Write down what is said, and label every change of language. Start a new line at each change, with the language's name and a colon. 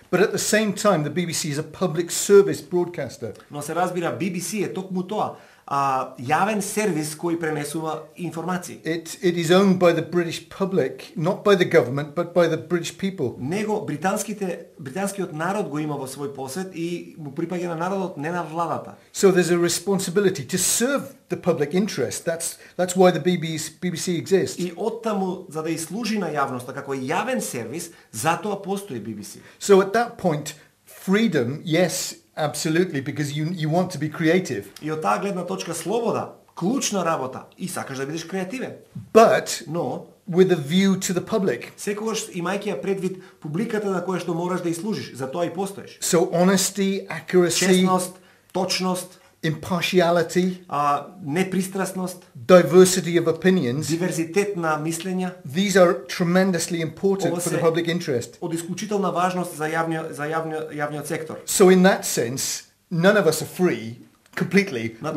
English: But at the same time the BBC is a public service broadcaster.
Macedonian: Но се разбира BBC е токму тоа, јавен сервис кој пренесува информации.
English: It is owned by the British public, not by the government, but by the British people.
Macedonian: Него британскиот народ го има во свој посед и му припаѓа на народот, не на владата.
English: So there's a responsibility to serve the public interest. That's why the BBC exists.
Macedonian: И оттаму за да и служи на јавноста како јавен сервис, затоа постои BBC.
English: So at that point, freedom, yes, absolutely, because you want to be creative.
Macedonian: И од таа гледна точка слобода, клучна работа и сакаш да бидеш креативен.
English: But no, with a view to the public.
Macedonian: Секогаш имајќи ја предвид публиката на која што мораш да и служиш, затоа и постоиш.
English: So honesty, accuracy,
Macedonian: честност, точност,
English: impartiality,
Macedonian: непристрасност,
English: diversity of opinions,
Macedonian: диверзитет на мислења.
English: These are tremendously important for the public interest.
Macedonian: Од исклучителна важност за јавниот сектор.
English: So in that sense, none of us are free completely.